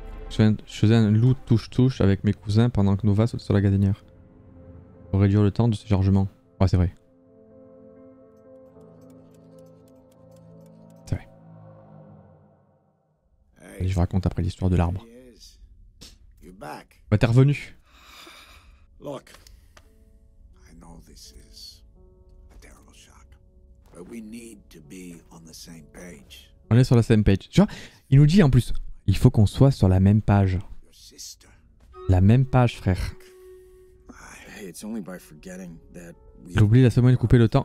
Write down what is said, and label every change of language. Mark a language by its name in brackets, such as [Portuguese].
[French] Je faisais un loup touche-touche avec mes cousins pendant que Nova saute sur la gazinière. Pour réduire le temps de ce chargement. Ouais, c'est vrai. C'est vrai. Allez, je vous raconte après l'histoire de l'arbre. Bah, t'es revenu. [English] Look, I know this is a terrible shock, but we need to be on the same page. [French] On est sur la même page. Tu vois, il nous dit en plus, il faut qu'on soit sur la même page. La même page, frère. [English] Hey, it's only by forgetting that we... [French] J'ai oublié la semaine de couper le temps.